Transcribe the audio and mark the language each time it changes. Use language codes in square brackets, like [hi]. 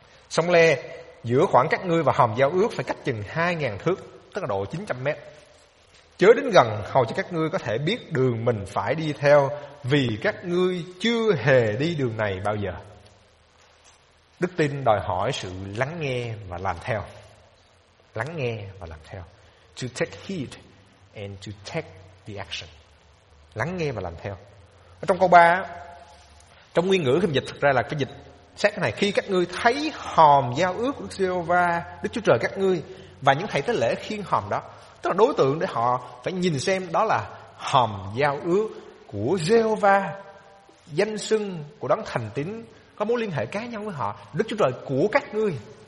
[vi] Sông Lê giữa khoảng các ngươi và hòm giao ước phải cách chừng 2.000 thước, tức là độ 900 mét. Chớ đến gần hầu cho các ngươi có thể biết đường mình phải đi theo, vì các ngươi chưa hề đi đường này bao giờ. Đức tin đòi hỏi sự lắng nghe và làm theo. Lắng nghe và làm theo. [en] To take heed and to take the action. [vi] Lắng nghe và làm theo. Ở trong câu 3, trong nguyên ngữ khi dịch thực ra là cái dịch sát này: khi các ngươi thấy hòm giao ước của Giê-hô-va Đức Chúa Trời các ngươi và những thầy tế lễ khiêng hòm đó, tức là đối tượng để họ phải nhìn xem đó là hòm giao ước của Giê-hô-va, danh xưng của đấng thành tín có mối liên hệ cá nhân với họ, Đức Chúa Trời của các ngươi.